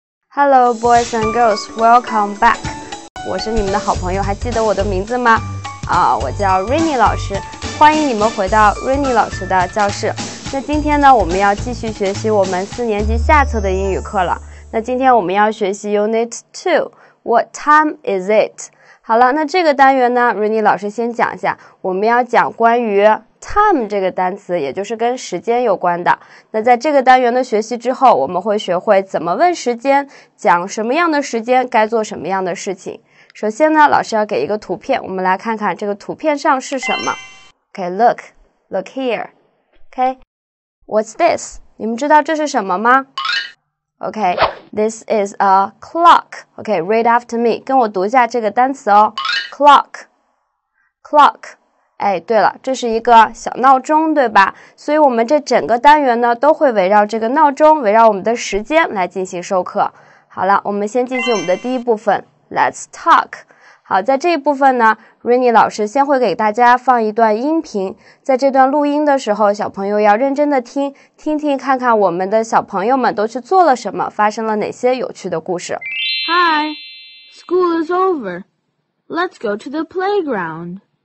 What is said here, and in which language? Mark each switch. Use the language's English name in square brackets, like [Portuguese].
[English] Hello, boys and girls, welcome back. [Chinese] 我是你们的好朋友，还记得我的名字吗？我叫 Rainy 老师，欢迎你们回到 Rainy 老师的教室。那今天呢，我们要继续学习我们四年级下册的英语课了。那今天我们要学习 Unit 2, [English] What time is it? [Chinese] 好了，那这个单元呢， Rainy 老师先讲一下，我们要讲关于time 这个单词，也就是跟时间有关的。那在这个单元的学习之后，我们会学会怎么问时间，讲什么样的时间，该做什么样的事情。首先呢，老师要给一个图片，我们来看看这个图片上是什么。 [English] Okay, look, look here. Okay, what's this? [Chinese] 你们知道这是什么吗？ [English] Okay, this is a clock. Okay, read after me. [Chinese] 跟我读一下这个单词哦。 [English] Clock, clock. [Chinese] 哎，对了，这是一个小闹钟，对吧？所以我们这整个单元呢，都会围绕这个闹钟，围绕我们的时间来进行授课。好了，我们先进行我们的第一部分 , [English] Let's talk。 [Chinese] 好，在这一部分呢， Rainy 老师先会给大家放一段音频。在这段录音的时候，小朋友要认真的听，听听看看我们的小朋友们都去做了什么，发生了哪些有趣的故事。 [English] Hi, school is over. Let's go to the playground.